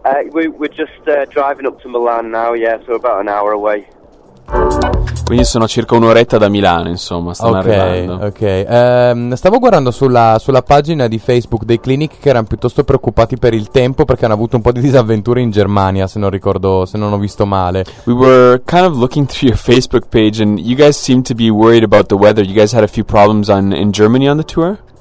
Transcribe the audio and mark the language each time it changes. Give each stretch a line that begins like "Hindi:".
English: We're just driving up to Milan now, yeah, so about an hour away.
Italian: Quindi sono circa un'oretta da Milano, insomma, stanno arrivando. Ok, stavo guardando sulla pagina di Facebook dei Clinic che erano piuttosto preoccupati per il tempo perché hanno avuto un po' di disavventure in Germania, se non ho visto male.
English: We were kind of looking through your Facebook page and you guys seem to be worried about the weather. You guys had a few problems in Germany on the tour?